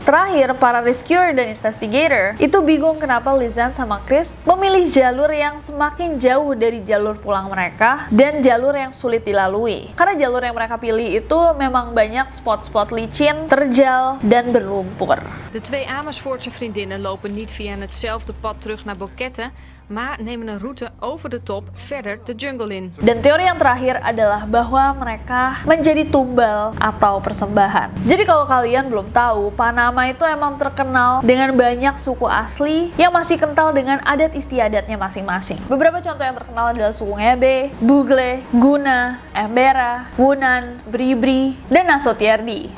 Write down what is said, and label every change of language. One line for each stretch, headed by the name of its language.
Indonesian: Terakhir, para rescuer dan investigator itu bingung kenapa Lizanne sama Chris memilih jalur yang semakin jauh dari jalur pulang mereka dan jalur yang sulit dilalui, karena jalur yang mereka pilih itu memang banyak spot-spot licin, terjal, dan berlumpur.
Dutch: De twee Amersfoortse vriendinnen lopen niet via hetzelfde pad terug naar Boquete, maar nemen een route over de top verder de jungle in.
Indonesian: Dan teori yang terakhir adalah bahwa mereka menjadi tumbal atau persembahan. Jadi kalau kalian belum tahu, Panama itu emang terkenal dengan banyak suku asli yang masih kental dengan adat istiadatnya masing-masing. Beberapa contoh yang terkenal adalah suku Ngebe, Bugle, Guna, Embera, Wunan, Bribri, dan Nasotiardi.